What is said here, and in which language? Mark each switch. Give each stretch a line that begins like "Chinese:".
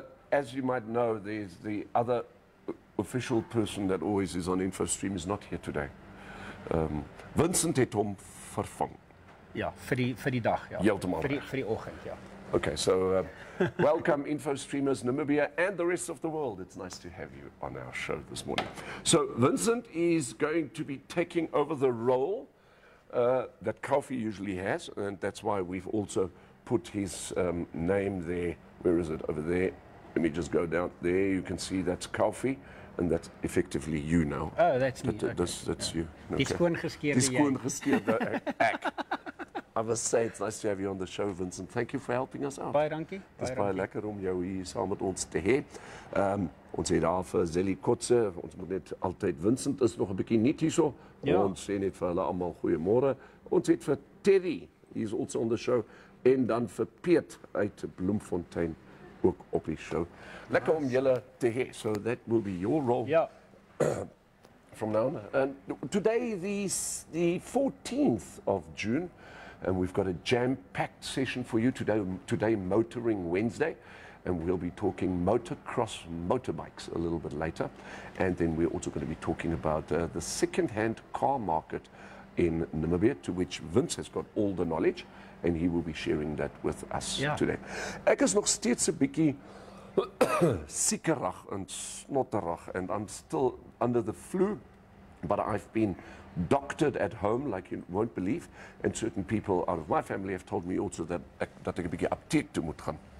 English: As you might know, there's the other official person that always is on Infostream is not here today.
Afrikaans: Vincent het hom vervang. Ja, vir die dag, ja. Heeltemal. Vir die oggend, ja.
English: Okay, so welcome Infostreamers Namibia and the rest of the world. It's nice to have you on our show this morning. So Vincent is going to be taking over the role that Kaufeee usually has, and that's why we've also put his name there. Where is it? Over there. Let me just go down there. You can see that's Kaufeee, and that's effectively you now. Oh, that's me. That's you. Okay.
Afrikaans: Die skoongeskeerde ek.
English: I must say, it's nice to have you on the show, Vincent. Thank you for helping us out.
Afrikaans: Baie dankie. Dis baie lekker om jou hier saam met ons te hê. Ons het daar vir Zelly Kotze. Ons moet net altyd, Vincent is nog 'n bietjie nuut hierso. Ja. Ons sê net vir hulle allemaal goeiemôre. Ons het vir
English: Terry, he's also on the show.
Afrikaans: En dan vir Piet uit Bloemfontein ook op die show. Lekker nice om julle te hê.
English: So that will be your role.
Afrikaans: Ja.
English: From now on. And today is the 14th of June. And we've got a jam-packed session for you today, Motoring Wednesday. And we'll be talking motocross motorbikes a little bit later. And then we're also going to be talking about the second-hand car market in Namibia, to which Vince has got all the knowledge. And he will be sharing that with us today.
Afrikaans: Ek is nog steeds 'n bietjie siekerig en snotterig.
English: And I'm still under the flu, but I've been doctored at home, like you won't believe, and certain people out of my family have told me also that
Afrikaans: dat ek 'n bietjie apteek toe moet gaan.